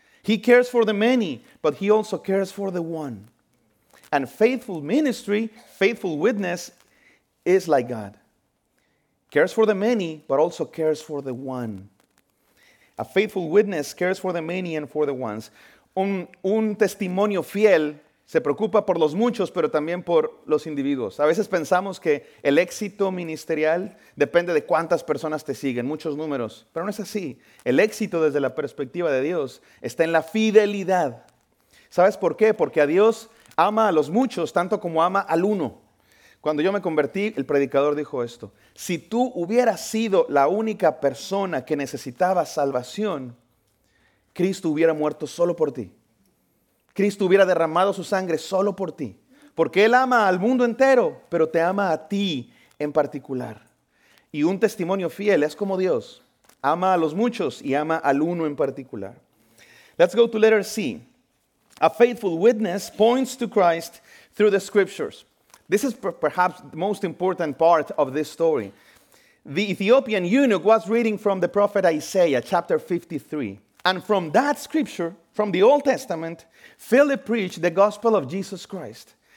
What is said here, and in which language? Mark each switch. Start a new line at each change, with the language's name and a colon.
English: He cares for the many, but he also cares for the one. And faithful ministry, faithful witness, is like God. Cares for the many, but also cares for the one. A faithful witness cares for the many and for the ones.
Spanish: Un testimonio fiel se preocupa por los muchos, pero también por los individuos. A veces pensamos que el éxito ministerial depende de cuántas personas te siguen, muchos números. Pero no es así. El éxito desde la perspectiva de Dios está en la fidelidad. ¿Sabes por qué? Porque a Dios ama a los muchos tanto como ama al uno. Cuando yo me convertí, el predicador dijo esto. Si tú hubieras sido la única persona que necesitaba salvación, Cristo hubiera muerto solo por ti. Cristo hubiera derramado su sangre solo por ti. Porque Él ama al mundo entero, pero te ama a ti en particular. Y un testimonio fiel es como Dios. Ama a los muchos y ama al uno en particular.
English: Let's go to letter C. A faithful witness points to Christ through the scriptures. This is perhaps the most important part of this story. The Ethiopian eunuch was reading from the prophet Isaiah, chapter 53. And from that scripture, from the Old Testament, Philip preached the gospel of Jesus Christ.